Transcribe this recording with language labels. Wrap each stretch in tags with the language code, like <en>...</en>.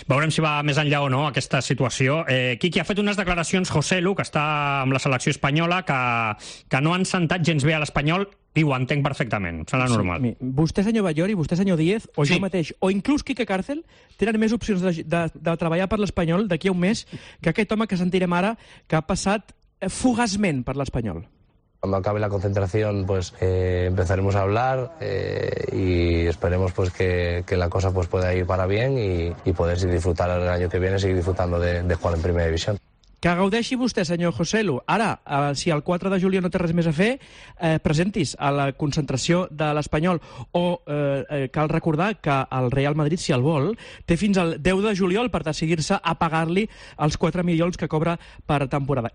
<ca>Veurem si va més enllà o no aquesta situació. Quique, ha fet unes declaracions Joselu, que està amb la selecció espanyola, que no han sentat gens bé a l'Espanyol, i ho entenc perfectament, sembla normal. Sí, vostè, senyor Ballori, vostè, senyor Díez, o jo mateix, o inclús Quique Càrcel, tenen més opcions de treballar per l'Espanyol d'aquí a un mes que aquest home que sentirem ara, que ha passat fugazment per l'Espanyol.</ca> <es>Cuando acabe la concentración, pues empezaremos a hablar y esperemos pues que la cosa pues pueda ir para bien y poder disfrutar el año que viene, seguir disfrutando de jugar en Primera División.</es> <ca>Que gaudeixi vostè, senyor Joselu. Ara, si el 4 de juliol no té res més a fer, presentis a la concentració de l'Espanyol. O cal recordar que el Real Madrid, si el vol, té fins al 10 de juliol per decidir-se a pagar-li els 4 milions que cobra per temporada.</ca>